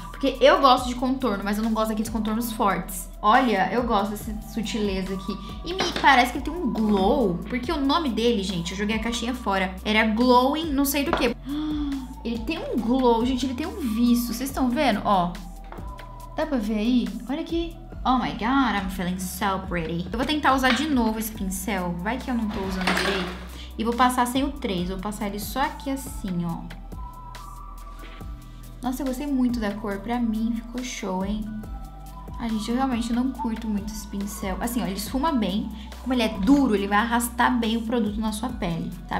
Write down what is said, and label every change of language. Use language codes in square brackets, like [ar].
[pt] Porque eu gosto de contorno, mas eu não gosto daqueles contornos fortes. Olha, eu gosto dessa sutileza aqui. E me parece que ele tem um glow. Porque o nome dele, gente, eu joguei a caixinha fora. Era glowing não sei do que. Ele tem um glow, gente, ele tem um viço. Vocês estão vendo? Ó. Dá pra ver aí? Olha aqui. [en] Oh my god, I'm feeling so pretty. [pt] Eu vou tentar usar de novo esse pincel. Vai que eu não tô usando direito. E vou passar sem o 3. Vou passar ele só aqui assim, ó. Nossa, eu gostei muito da cor. Pra mim ficou show, hein? Ai, gente, eu realmente não curto muito esse pincel. Assim, ó, ele esfuma bem. Como ele é duro, ele vai arrastar bem o produto na sua pele, tá?